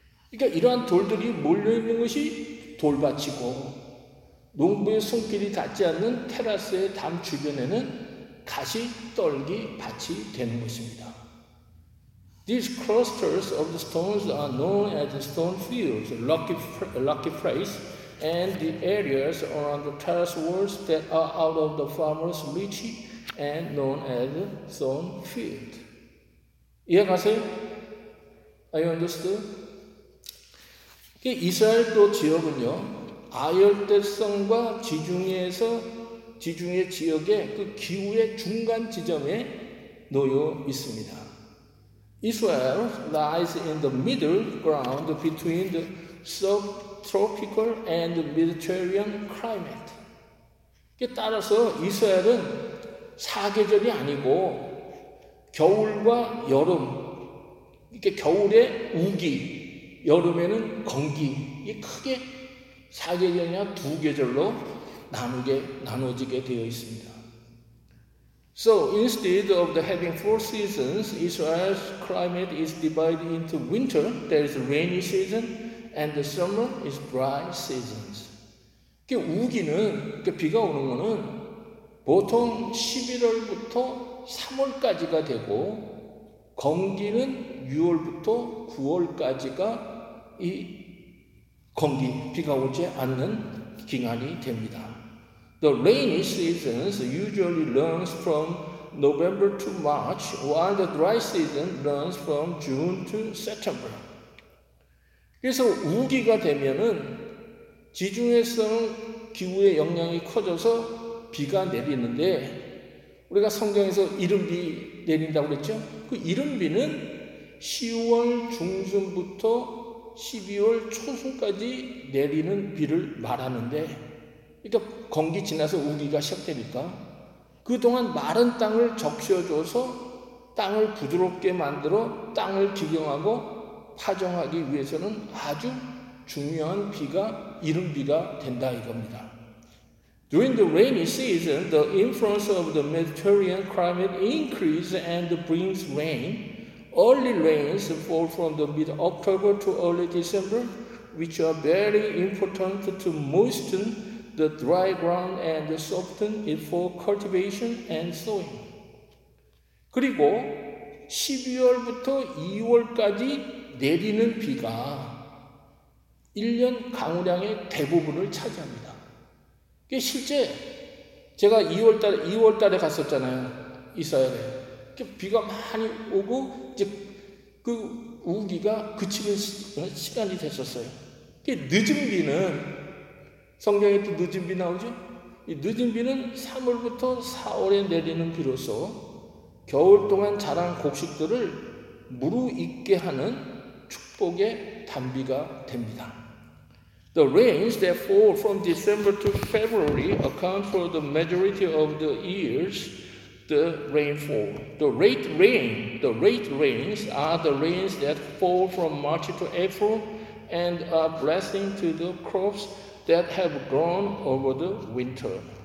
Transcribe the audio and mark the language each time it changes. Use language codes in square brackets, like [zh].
[ko] 그러니까 이러한 돌들이 몰려 있는 것이 돌밭이고 농부의 손길이 닿지 않는 테라스의 담 주변에는 가시 떨기 밭이 되는 것입니다. [en] These clusters of the stones are known as the stone fields, lucky phrase, and the areas around the terrace walls that are out of the farmer's reach and known as the stone field. [ko] 이해가세요? [en] Are you understood? [ko] 이스라엘 또 지역은요, 아열대성과 지중해에서 지중해 지역의 그 기후의 중간 지점에 놓여 있습니다. [en] Israel lies in the middle ground between the subtropical and Mediterranean climate. [ko] 따라서 이스라엘은 사계절이 아니고 겨울과 여름, 이렇게 겨울에 우기, 여름에는 건기, 이게 크게 사계절이나 두 계절로 나눠지게 되어 있습니다. [en] So instead of having four seasons, Israel's climate is divided into winter, there is rainy season, and the summer is dry seasons. [ko] 우기는, 비가 오는 거는 보통 11월부터 3월까지가 되고, 건기는 6월부터 9월까지가 이 건기, 비가 오지 않는 기간이 됩니다. [en] The rainy seasons usually runs from November to March, while the dry season runs from June to September. [ko] 그래서 우기가 되면은 지중해성 기후의 영향이 커져서 비가 내리는데 우리가 성경에서 이른비 내린다고 그랬죠? 그 이른비는 10월 중순부터 12월 초순까지 내리는 비를 말하는데 그러니까 건기 지나서 우기가 시작되니까 그동안 마른 땅을 적셔줘서 땅을 부드럽게 만들어 땅을 기경하고 파종하기 위해서는 아주 중요한 비가 이른 비가 된다 이겁니다. [en] During the rainy season, the influence of the Mediterranean climate increases and brings rain. Early rains fall from the mid-October to early December, which are very important to moisten the dry ground and soften it for cultivation and sowing. [ko] 그리고 12월부터 2월까지 내리는 비가 1년 강우량의 대부분을 차지합니다. 그게 실제 제가 2월달에 갔었잖아요. 이스라엘에. 그 비가 많이 오고 이제 그 우기가 그치는 시간이 됐었어요. 그 늦은 비는 성경에 또 늦은 비 나오죠? 이 늦은 비는 3월부터 4월에 내리는 비로서 겨울 동안 자란 곡식들을 무르익게 하는 축복의 단비가 됩니다. [en] The rains that fall from December to February account for the majority of the year's the rainfall. The rate rains are the rains that fall from March to April and are blessing to the crops that have grown over the winter.